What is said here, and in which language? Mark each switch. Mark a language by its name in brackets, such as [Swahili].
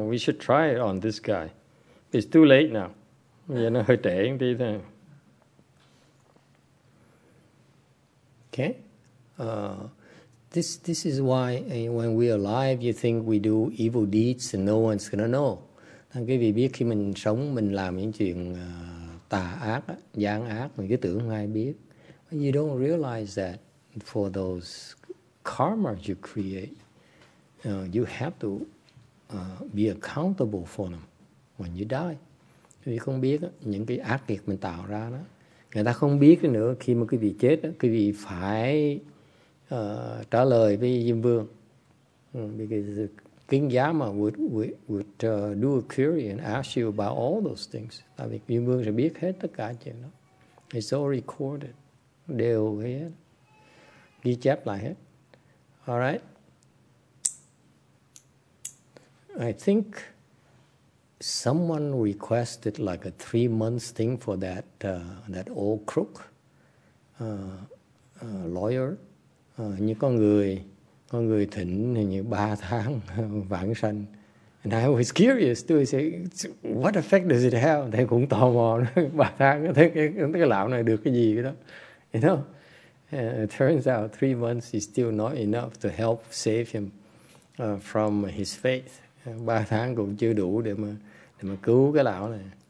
[English] We should try it on this guy. It's too late now. You know, [Vietnamese] hơi trễ đi thôi. [English] Okay. This is why when we are alive, you think we do evil deeds and no one's gonna know. [Vietnamese] Thằng quý vị biết khi mình sống mình làm những chuyện tà ác, gian ác, mình cứ tưởng không ai biết. [English] But you don't realize that for those karma you create. You have to be accountable for them when you die. [Vietnamese] Vì không biết những cái ác nghiệp mình tạo ra đó, người ta không biết nữa. Khi mà quý vị chết, quý vị phải trả lời với Diêm Vương. [English] Because King Yama would do a query and ask you about all those things. [Vietnamese] Tại vì Diêm Vương sẽ biết hết tất cả chuyện đó. [English] It's all recorded. [Vietnamese] Đều hết. Ghi chép lại hết. [English] All right. I think someone requested like a 3 months thing for that that old crook lawyer. [Vietnamese] Như con người thỉnh như 3 tháng vãng sanh. [English] And I was curious too. I said, what effect does it have? [Vietnamese] Thầy cũng tò mò. 3 tháng cái lão này được cái gì đó. [English] You know, it turns out 3 months is still not enough to help save him from his faith. [Vietnamese] 3 tháng cũng chưa đủ để mà cứu cái lão này.